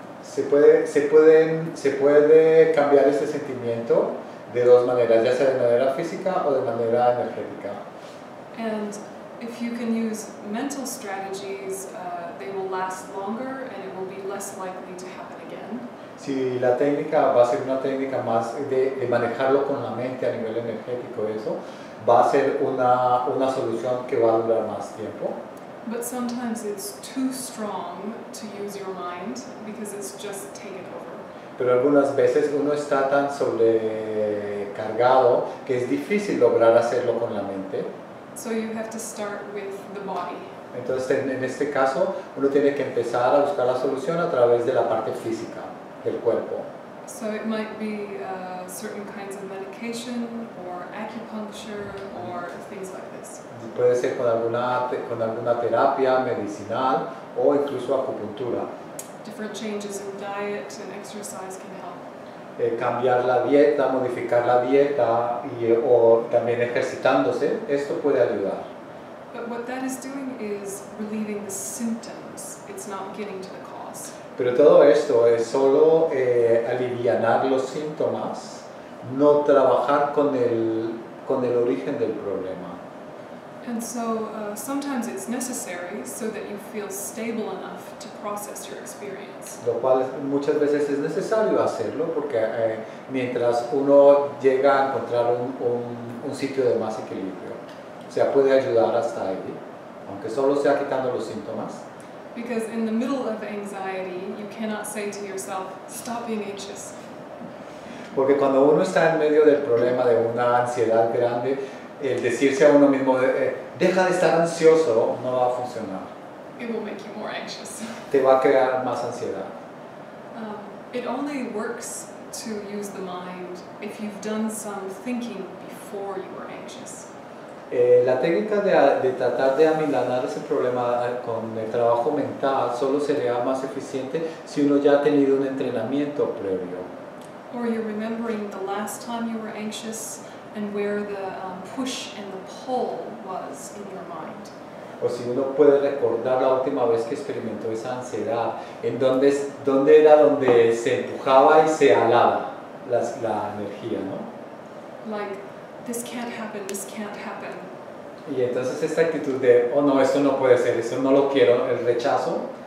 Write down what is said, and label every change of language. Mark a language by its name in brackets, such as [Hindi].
[Spanish] Se puede cambiar ese sentimiento de dos maneras, ya sea de manera física o de manera energética. [English] And if you can use mental strategies, they will last longer and it will be less likely to happen again. [Spanish] Si la técnica va a ser una técnica más de manejarlo con la mente a nivel energético, eso va a ser una solución que va a durar más tiempo. [English] But sometimes it's too strong to use your mind because it's just taken over. [Spanish] Pero algunas veces uno está tan sobrecargado que es difícil lograr hacerlo con la mente. [English] So you have to start with the body. [Spanish] Entonces en este caso uno tiene que empezar a buscar la solución a través de la parte física del cuerpo. [English] So it might be certain kinds of medication or acupuncture or things like this. [Spanish] Puede ser con alguna terapia medicinal o incluso acupuntura. [English] Different changes in diet and exercise can help. [Spanish] Cambiar la dieta, modificar la dieta o también ejercitándose, esto puede ayudar. [English] But what that is doing is relieving the symptoms. It's not getting to the cause. [Spanish] Pero todo esto es solo alivianar los síntomas, no trabajar con el origen del problema. [English] And so sometimes it's necessary so that you feel stable enough to process your experience. [Spanish] Lo cual muchas veces es necesario hacerlo porque mientras uno llega a encontrar un sitio de más equilibrio, o sea, puede ayudar hasta ahí, aunque solo sea quitando los síntomas. [English] Because in the middle of anxiety, you cannot say to yourself, "Stop being anxious." [Spanish] Porque cuando uno está en medio del problema de una ansiedad grande, el decirse a uno mismo, "Deja de estar ansioso," no va a funcionar. [English] It will make you more anxious. [Spanish] Te va a crear más ansiedad. [English] It only works to use the mind if you've done some thinking before you were anxious. [Spanish] La técnica de tratar de aminorar ese problema con el trabajo mental solo sería más eficiente si uno ya ha tenido un entrenamiento previo. [English] Or you're remembering the last time you were anxious and where the push and the pull was in your mind. [Spanish] O si uno puede recordar la última vez que experimentó esa ansiedad, en dónde era donde se empujaba y se alaba la energía, ¿no? [English] Like, "This can't happen, this can't happen." [Spanish] Y entonces esta actitud de, "Oh no, esto no puede ser, eso no lo quiero," el rechazo.